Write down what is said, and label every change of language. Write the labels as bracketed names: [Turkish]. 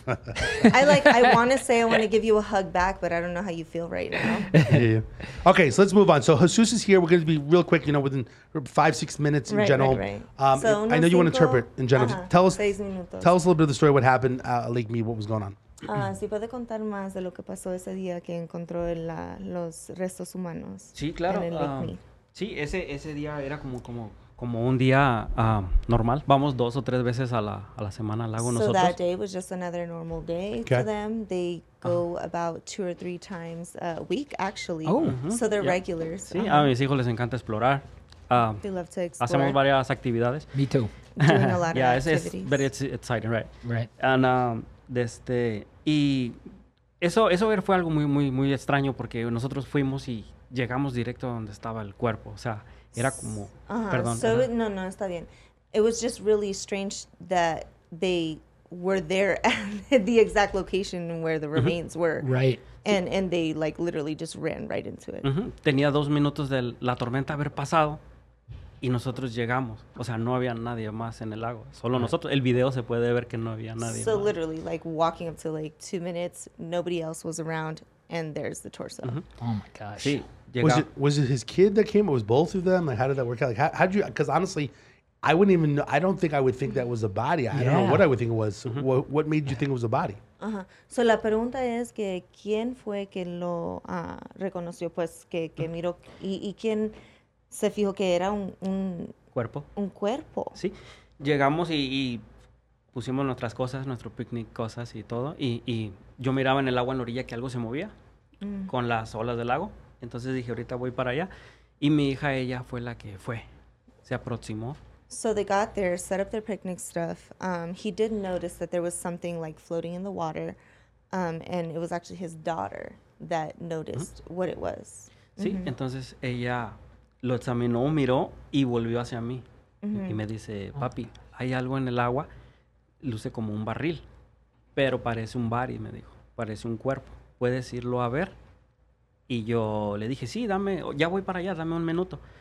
[English] I want to say I want to give you a hug back, but I don't know how you feel right now. Yeah. Okay, so let's move on. So Jesus is here. We're going to be real quick, you know, within 5-6 minutes in general. Right. I know you want to interpret in general. Uh-huh. Tell us a little bit of the story, what happened, Lake Mead, what was going on. [Spanish] ¿Sí puede contar más de lo que pasó ese día que encontró los restos humanos? Sí, claro. En el Lake Mead. Sí, ese día era como un día normal. Vamos dos o tres veces a la semana al lago [English] so [Spanish] nosotros. [English] So that day was just another normal day for them. They go about two or three times a week, actually. Oh, mm-hmm. So they're regulars. [Spanish] Sí, a mis hijos les encanta explorar. [English] They love to explore. [Spanish] Hacemos varias actividades. [English] Me too. Doing a lot yeah, of activities. Yeah, it's exciting, right? Right. [Spanish] And y eso fue algo muy, muy, muy extraño porque nosotros fuimos y llegamos directo a donde estaba el cuerpo. O sea, era como... No, está bien. [English] It was just really strange that they were there at the exact location where the remains mm-hmm. were. Right. And they, like, literally just ran right into it. Mm-hmm. [Spanish] Tenía 2 minutos de la tormenta haber pasado y nosotros llegamos. O sea, no había nadie más en el lago. Solo right. nosotros. El video se puede ver que no había nadie [English] so [Spanish] más. [English] So literally, like, walking up to, like, 2 minutes, nobody else was around, and there's the torso. Mm-hmm. Oh, my gosh. [Spanish] Sí. [English] Was it his kid that came, or was both of them? Like, how did that work out? Like, how'd you, because honestly, I wouldn't even know, I don't think I would think that was a body. I don't know what I would think it was. Mm-hmm. What made you think it was a body? Uh-huh. [Spanish] So la pregunta es que quién fue que lo reconoció, pues, que miró, y quién se fijó que era un cuerpo. Un cuerpo. Sí. Llegamos y pusimos nuestras cosas, nuestro picnic, cosas y todo, y yo miraba en el agua en la orilla que algo se movía con las olas del lago. Entonces dije, ahorita voy para allá. Y mi hija, ella fue la que fue. Se aproximó. [English] So they got there, set up their picnic stuff. He did notice that there was something like floating in the water. And it was actually his daughter that noticed mm-hmm. what it was. [Spanish] Sí, mm-hmm. entonces ella lo examinó, miró y volvió hacia mí. Mm-hmm. Y me dice, papi, hay algo en el agua. Luce como un barril. Pero parece un body, me dijo. Parece un cuerpo. ¿Puedes irlo a ver? Y yo le dije, sí, dame, ya voy para allá, dame un minuto.